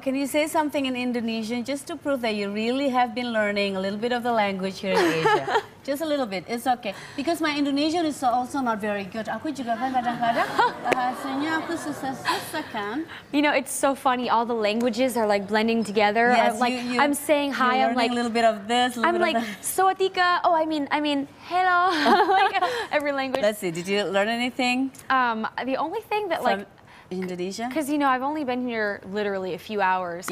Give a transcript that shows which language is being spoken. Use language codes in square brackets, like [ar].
[en] can you say something in Indonesian just to prove that you really have been learning a little bit of the language here in Asia? Just a little bit, it's okay. Because my Indonesian is also not very good. [id] Aku juga kan kadang-kadang bahasanya aku susah-susah kan. [en] You know, it's so funny, all the languages are like blending together. Yes, like, you, I'm saying hi, you're I'm like a little bit of this, I'm like sawatika. Oh, I mean hello. Like every language. Let's see, did you learn anything? The only thing that Indonesia? Because, you know, I've only been here literally a few hours.